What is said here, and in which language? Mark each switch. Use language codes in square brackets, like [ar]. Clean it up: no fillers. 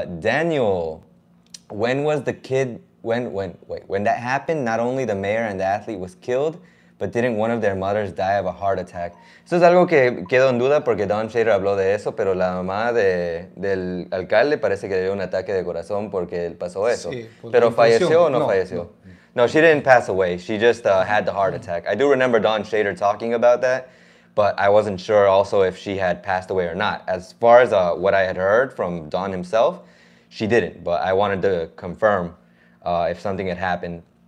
[en] Daniel, when that happened, not only the mayor and the athlete was killed, but didn't one of their mothers die of a heart attack? [es] Eso es algo que quedó en duda porque Don Shader habló de eso, pero la mamá del alcalde parece que dio un ataque de corazón porque pasó eso. Sí, pero falleció o no falleció? [en] No, she didn't pass away. She just had the heart attack. I do remember Don Shader talking about that, but I wasn't sure also if she had passed away or not. As far as what I had heard from Don himself, she didn't, but I wanted to confirm if something had happened.